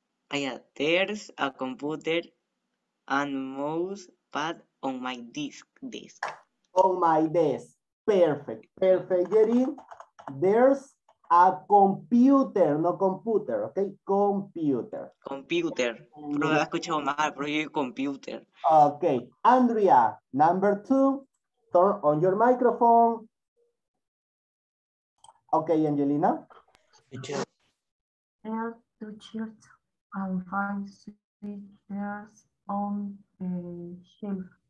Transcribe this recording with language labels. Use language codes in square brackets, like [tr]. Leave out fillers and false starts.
[en] There's a computer and mouse pad on my desk. On my desk. Perfect, Jerry. There's a computer, no computer, okay? Computer. Computer. [es] Pero he escuchado mal, pero yo digo computer. [en] Okay. Andrea, number two, turn on your microphone. Okay, Angelina. There are two chairs and five chairs on the shelf.